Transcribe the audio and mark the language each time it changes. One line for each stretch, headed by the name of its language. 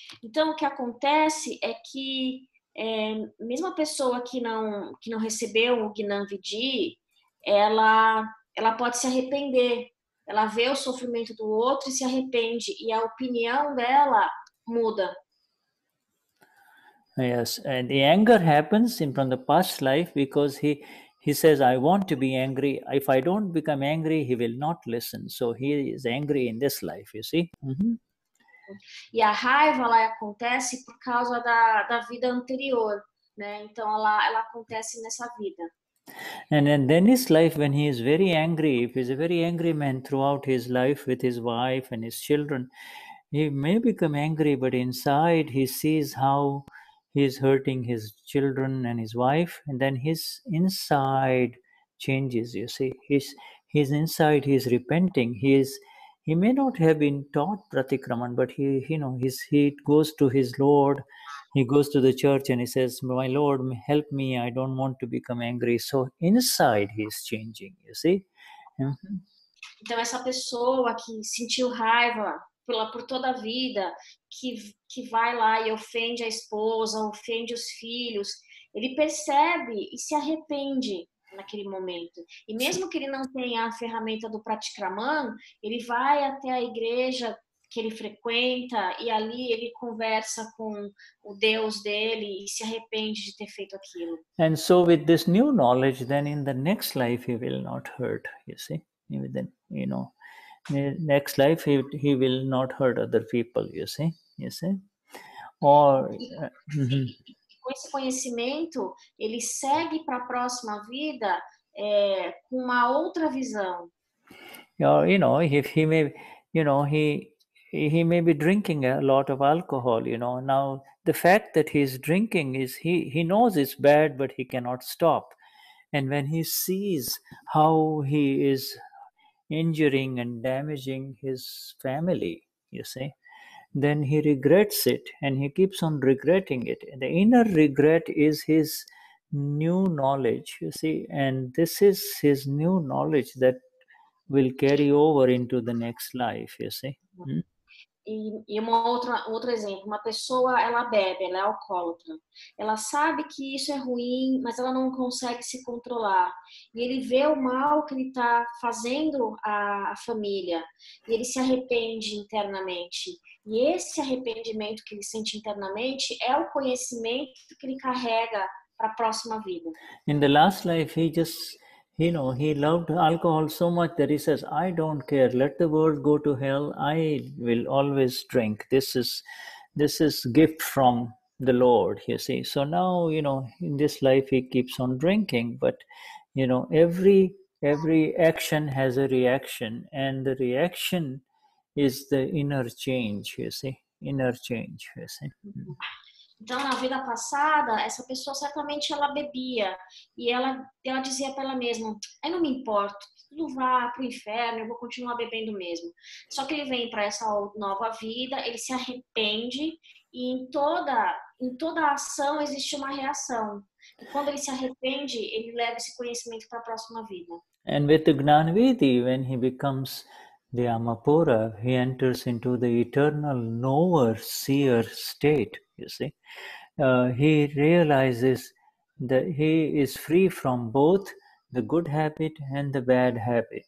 Portuguese: Então, o que acontece é que mesmo a pessoa que não recebeu o Gnanvidhi, ela pode se arrepender. Ela vê o sofrimento do outro e se arrepende. E a opinião dela muda.
English: Yes, and the anger happens from the past life because he says, I want to be angry. If I don't become angry, he will not listen. So he is angry in this life, you see. Mm-hmm.
Portuguese: E a raiva, ela acontece por causa da vida anterior, né? Então, ela acontece nessa vida.
English: And then his life, when he is very angry, if he's a very angry man throughout his life with his wife and his children, he may become angry, but inside he sees how he is hurting his children and his wife, and then his inside changes, you see. His inside, he is repenting. He may not have been taught pratikraman, but he goes to his Lord, he goes to the church and he says, my Lord, help me, I don't want to become angry. So inside he is changing, you see. Mm-hmm.
Portuguese: Então essa pessoa que sentiu raiva por toda a vida, que vai lá e ofende a esposa, ofende os filhos, ele percebe e se arrepende naquele momento. E mesmo que ele não tenha a ferramenta do pratikraman, ele vai até a igreja que ele frequenta e ali ele conversa com o Deus dele e se arrepende de ter feito aquilo.
English: And so with this new knowledge, then in the next life he will not hurt, you see. Even then, you know, in the next life he will not hurt other people,
Portuguese: Com esse conhecimento, ele segue para a próxima vida com uma outra visão.
English: You know, if he may, you know, he may be drinking a lot of alcohol, you know. Now, the fact that he is drinking is he knows it's bad, but he cannot stop. And when he sees how he is injuring and damaging his family, you see, then he regrets it and he keeps on regretting it. The inner regret is his new knowledge, you see, and this is his new knowledge that will carry over into the next life, you see.
Portuguese: E um outro exemplo, uma pessoa, ela bebe, ela é alcoólatra. Ela sabe que isso é ruim, mas ela não consegue se controlar. E ele vê o mal que ele está fazendo à família. E ele se arrepende internamente. E esse arrependimento que ele sente internamente é o conhecimento que ele carrega para a próxima vida.
English: In the last life, he just... You know, he loved alcohol so much that he says, I don't care. Let the world go to hell. I will always drink. This is gift from the Lord, you see. So now, you know, in this life, he keeps on drinking. But, you know, every action has a reaction. And the reaction is the inner change, you see. Inner change, you see.
Portuguese: Então, na vida passada, essa pessoa certamente ela bebia e ela dizia para ela mesma, eu não me importo, tudo vá para o inferno, eu vou continuar bebendo mesmo. Só que ele vem para essa nova vida, ele se arrepende e em toda ação existe uma reação. E quando ele se arrepende, ele leva esse conhecimento para a próxima vida.
English: And with the Gnanvidhi, when he becomes the Amapura, he enters into the eternal knower-seer state. You see, he realizes that he is free from both the good habit and the bad habit.